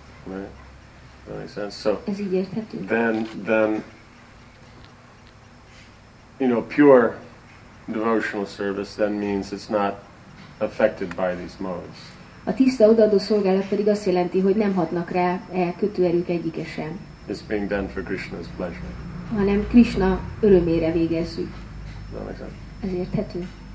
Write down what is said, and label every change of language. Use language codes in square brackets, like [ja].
[en] Right. So, [hu] ez így érthető? [en] Then, you know, pure devotional service then means it's not affected by these modes. [hu] A tiszta odaadó szolgálat pedig azt jelenti, hogy nem hatnak rá kötőerők egyike sem. [en] It's being done for Krishna's pleasure. [hu] Hanem Krishna örömére végezzük. Ez érthető.